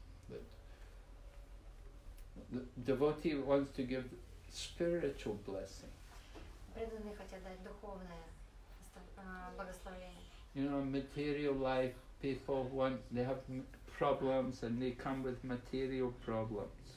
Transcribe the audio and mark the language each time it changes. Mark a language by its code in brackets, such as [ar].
[en] But the devotee wants to give spiritual blessing. [ru] Преданные хотят дать духовное благословение. [en] You know, material life, people want, they have problems and they come with material problems.